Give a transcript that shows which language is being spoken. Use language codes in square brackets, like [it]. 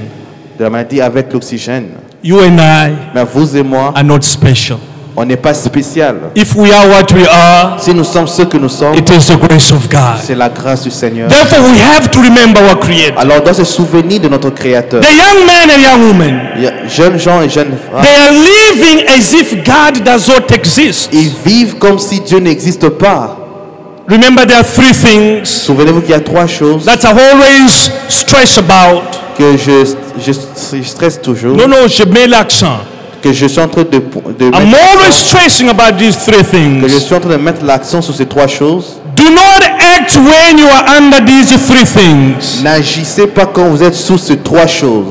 [fr] Maladie. De la maladie avec l'oxygène. [en] You and I. [fr] Mais vous et moi. [en] Are not special. [fr] On n'est pas spécial. [en] If we are what we are, [fr] si nous sommes ce que nous sommes, [en] it is the grace of God. [fr] C'est la grâce du Seigneur. [en] Therefore, we have to remember our Creator. [fr] Alors, on doit se souvenir de notre Créateur. [en] The young man and young woman, [fr] jeunes gens et jeunes femmes, [en] they are living as if God does not exist. [fr] Ils vivent comme si Dieu n'existe pas. [en] Remember, there are three things. [fr] Souvenez-vous qu'il y a trois choses. [en] That I always stress about. [fr] Que je stresse toujours. Non, je mets l'accent. Que je suis en train de [en] I'm always stressing about these three things. [fr] Que je suis en train de mettre l'accent sur ces trois choses. [en] Do not act when you are under these three things. [fr] N'agissez pas quand vous êtes sous ces trois choses.